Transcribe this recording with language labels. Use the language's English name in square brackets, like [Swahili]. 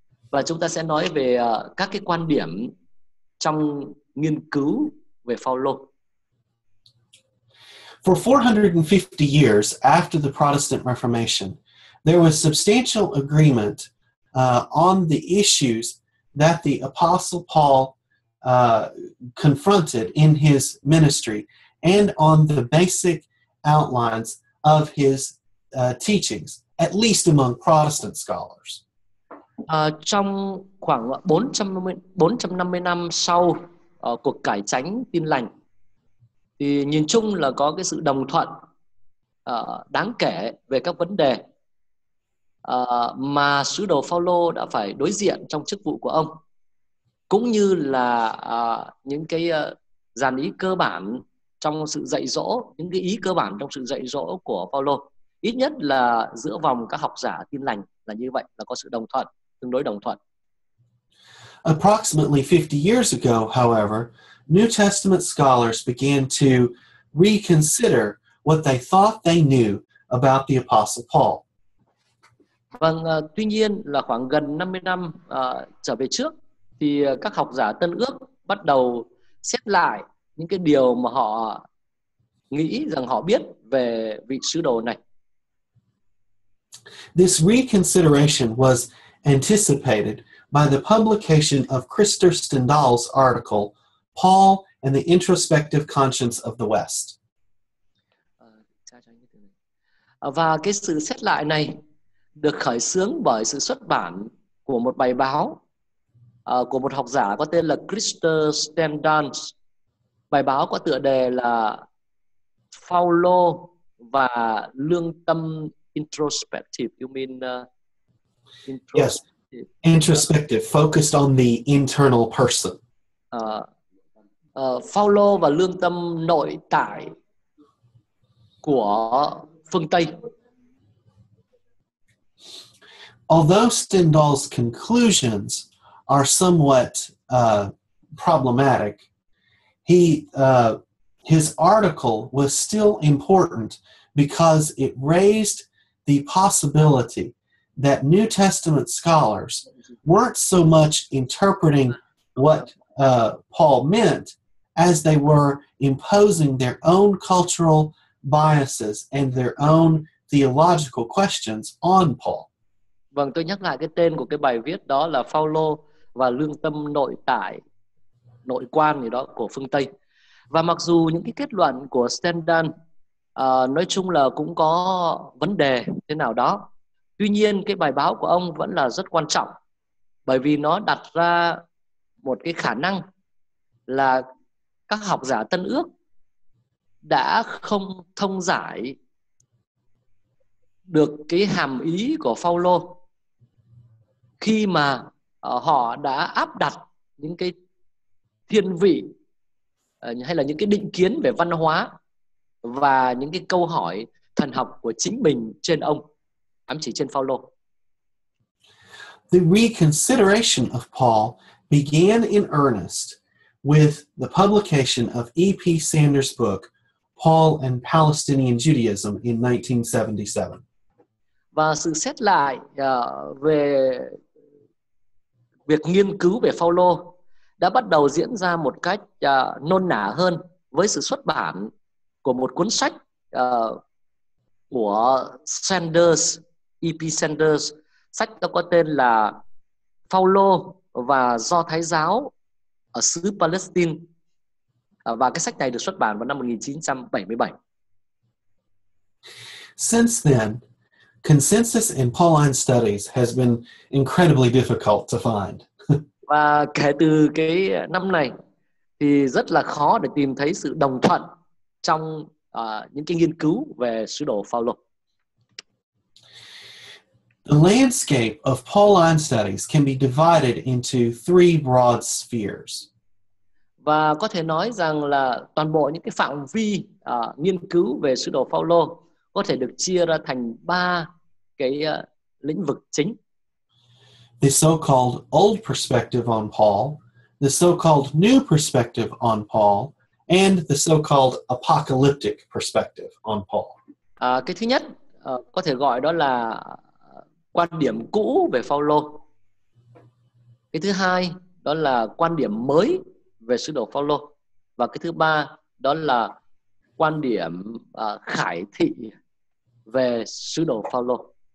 [Vietnamese] Và chúng ta sẽ nói về các cái quan điểm trong nghiên cứu về Phaolô. [English] For 450 years after the Protestant Reformation, there was substantial agreement on the issues that the Apostle Paul confronted in his ministry and on the basic outlines of his teachings, at least among Protestant scholars. [Vietnamese] Trong khoảng 450 năm sau cuộc cải chánh tin lành, thì nhìn chung là có cái sự đồng thuận đáng kể về các vấn đề mà sứ đồ Phaolô đã phải đối diện trong chức vụ của ông, cũng như là những cái dàn ý cơ bản trong sự dạy dỗ, những cái ý cơ bản trong sự dạy dỗ của Phaolô, ít nhất là giữa vòng các học giả tin lành là như vậy, là có sự đồng thuận, tương đối đồng thuận. [English] Approximately 50 years ago, however, New Testament scholars began to reconsider what they thought they knew about the Apostle Paul. [Vietnamese] Vâng, tuy nhiên là khoảng gần 50 năm trở về trước, thì các học giả Tân Ước bắt đầu xét lại những cái điều mà họ nghĩ rằng họ biết về vị sứ đồ này. [English] This reconsideration was anticipated by the publication of Christer Stendahl's article Paul and the Introspective Conscience of the West. [Vietnamese] Và cái sự xét lại này được khởi xướng bởi sự xuất bản của một bài báo của một học giả có tên là Christer Stendahl. Bài báo có tựa đề là Phaolô và lương tâm introspective. [English] You mean introspective? Yes. Introspective, focused on the internal person. [Vietnamese] Phaolô và lương tâm nội tại của phương Tây. [English] Although Stendahl's conclusions are somewhat problematic, his article was still important because it raised the possibility that New Testament scholars weren't so much interpreting what Paul meant as they were imposing their own cultural biases and their own theological questions on Paul. [Vietnamese] Vâng, tôi nhắc lại cái tên của cái bài viết đó là Phaolô và lương tâm nội tại nội quan gì đó của phương Tây. Và mặc dù những cái kết luận của Stendhal nói chung là cũng có vấn đề thế nào đó, tuy nhiên cái bài báo của ông vẫn là rất quan trọng, bởi vì nó đặt ra một cái khả năng là các học giả Tân Ước đã không thông giải được cái hàm ý của Phaolô khi mà họ đã áp đặt những cái thiên vị hay là những cái định kiến về văn hóa và những cái câu hỏi thần học của chính mình trên ông, ám chỉ trên Phaolô. [English] The reconsideration of Paul began in earnest with the publication of E.P. Sanders' book Paul and Palestinian Judaism in 1977. [Vietnamese] Và sự xét lại về việc nghiên cứu về Phaolô đã bắt đầu diễn ra một cách nôn nả hơn với sự xuất bản của một cuốn sách của Sanders, E.P. Sanders. Sách đó có tên là Phaolô và Do Thái Giáo ở xứ Palestine. Và cái sách này được xuất bản vào năm 1977. [English] Since then, consensus in Pauline studies has been incredibly difficult to find. [Vietnamese] Và kể từ cái năm này thì rất là khó để tìm thấy sự đồng thuận trong những cái nghiên cứu về sứ đồ Phaolô. [English] The landscape of Pauline studies can be divided into three broad spheres. [Vietnamese] Và có thể nói rằng là toàn bộ những cái phạm vi nghiên cứu về sứ đồ Phaolô có thể được chia ra thành ba cái lĩnh vực chính. [English] The so-called old perspective on Paul, the so-called new perspective on Paul, and the so-called apocalyptic perspective on Paul. [Vietnamese] Cái thứ nhất có thể gọi đó là quan điểm cũ về Phaolô. Cái thứ hai đó là quan điểm mới về sứ đồ Phaolô. Và cái thứ ba đó là quan điểm khải thị về sứ đồ Phaolô.